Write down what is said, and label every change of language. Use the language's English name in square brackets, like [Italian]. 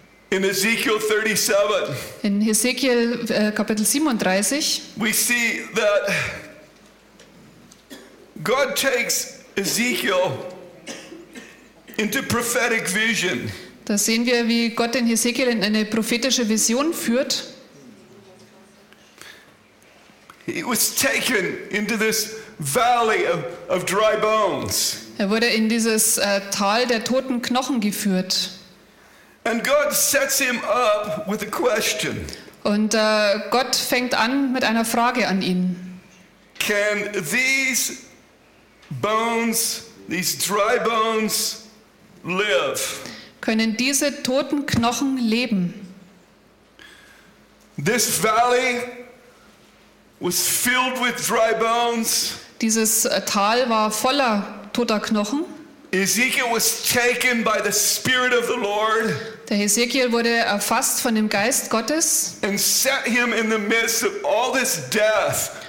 [English] In Ezekiel 37. [German] In Ezekiel Kapitel 37. [English] We see that God takes Ezekiel into prophetic vision. [German] Da sehen wir, wie Gott den Ezekiel in eine prophetische Vision führt. [English] He was taken into this valley of dry bones. [German] Er wurde in dieses Tal der toten Knochen geführt. [English] And God sets him up with a question. [German] Und Gott fängt an mit einer Frage an ihn. [English] Can these bones, these dry bones, live. [German] Können diese toten Knochen leben? [English] This valley was filled with dry bones. [German] Dieses Tal war voller toter Knochen. [English] Ezekiel was taken by the Spirit of the Lord. [German] Der Ezekiel wurde erfasst von dem Geist Gottes. [English] And set him in the midst of all this death.